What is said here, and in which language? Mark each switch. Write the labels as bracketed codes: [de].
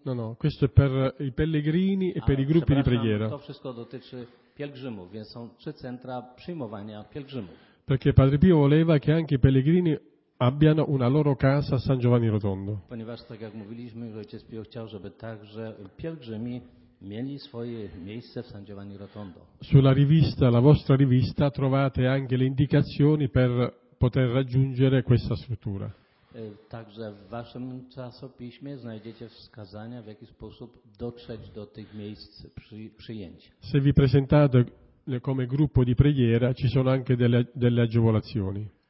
[it] No, questo è per i pellegrini e per i gruppi di preghiera. [pl] To wszystko dotyczy pielgrzymów, więc są trzy centra przyjmowania pielgrzymów. [it] Perché Padre Pio voleva che anche i pellegrini abbiano una loro casa a San Giovanni Rotondo. [pl] Ponieważ tak jak mówiliśmy, ojciec Pio chciał, żeby także pielgrzymi mieli swoje miejsce w San Giovanni Rotondo. [it] Sulla rivista, la vostra rivista, trovate anche le indicazioni per poter raggiungere questa struttura. [pl] Także w waszym czasopiśmie znajdziecie wskazania, w jaki sposób dotrzeć do tych miejsc przyjęcia. [it] Se vi presentate come gruppo di preghiera, ci sono anche delle agevolazioni.